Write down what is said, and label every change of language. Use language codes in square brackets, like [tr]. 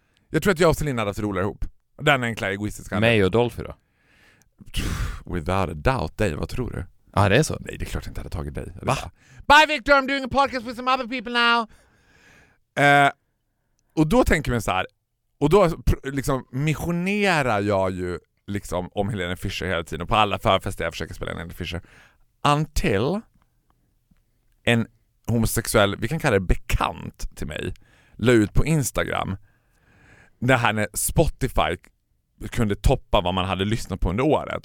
[sv] Jag tror att jag och Celine hade haft roligare ihop. Den enkla egoistiska. Mig och Dolphy då? [en] Without a doubt, [sv] dig, vad tror du? Ja, det är så. Nej, det är klart att jag inte hade tagit dig. Va? [en] Bye, Victor, I'm doing a podcast with some other people now. [sv] Och då tänker man så här, och då liksom missionerar jag ju liksom om Helene Fischer hela tiden och på alla förfester jag försöker spela Helene Fischer. Until en homosexuell, vi kan kalla det bekant till mig, la ut på Instagram när han Spotify kunde toppa vad man hade lyssnat på under året.